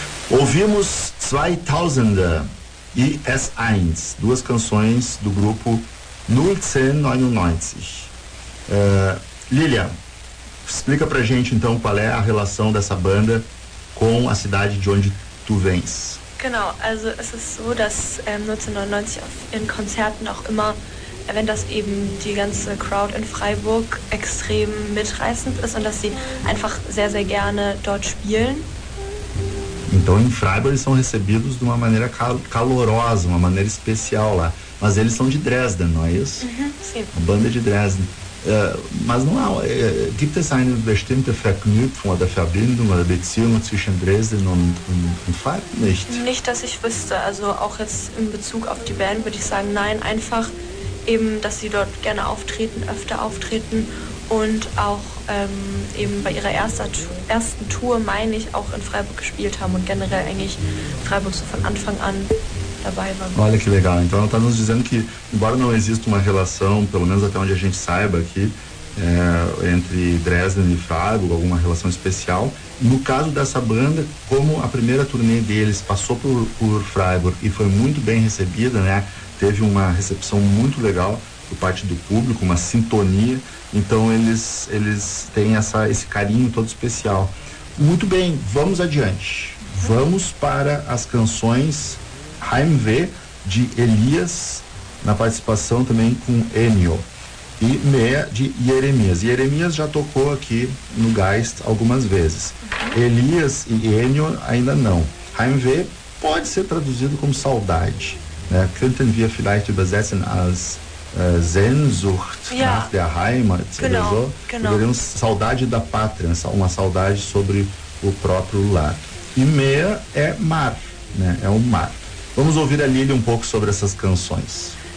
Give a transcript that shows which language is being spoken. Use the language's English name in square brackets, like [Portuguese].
[Portuguese] Ouvimos 2000 e S1, duas canções do grupo 1999. Lilian, explica pra gente então qual é a relação dessa banda com a cidade de onde tu vens. [German] Genau, also es ist so, dass 1999 in Konzerten auch immer, wenn das eben die ganze Crowd in Freiburg extrem mitreißend ist und dass sie einfach sehr, sehr gerne dort spielen. [Portuguese] Então em Freiburg eles são recebidos de uma maneira calorosa, uma maneira especial lá. Mas eles são de Dresden, não é isso? Sim. A banda de Dresden. Mas não há. [German] Gibt es eine bestimmte Verknüpfung oder Verbindung oder Beziehung zwischen Dresden und Freiburg? Nicht? Nicht, dass ich wüsste. Also auch jetzt in Bezug auf die Band würde ich sagen, nein, einfach eben, dass sie dort gerne auftreten, öfter auftreten. Und auch eben bei ihrer ersten Tour, meine ich, auch in Freiburg gespielt haben und generell eigentlich Freiburg so von Anfang an dabei war. [Portuguese] Olha que legal, então ela está nos dizendo que, embora não exista uma relação, pelo menos até onde a gente saiba aqui, entre Dresden e Freiburg, alguma relação especial, no caso dessa banda, como a primeira turnê deles passou por Freiburg e foi muito bem recebida, né, teve uma recepção muito legal por parte do público, uma sintonia. Então eles têm esse carinho todo especial. Muito bem, vamos adiante. Vamos para as canções Heimweh de Elias, na participação também com Ennio, e Meia de Jeremias. Jeremias já tocou aqui no Geist algumas vezes. Elias e Ennio ainda não. Heimweh pode ser traduzido como saudade, né? [German] Könnten wir vielleicht übersetzen als Sehnsucht nach der Heimat, genau. [Portuguese] Saudade da pátria, uma saudade sobre o próprio lar. E Meer é mar, né? É o mar. Vamos ouvir a Lili um pouco sobre essas canções.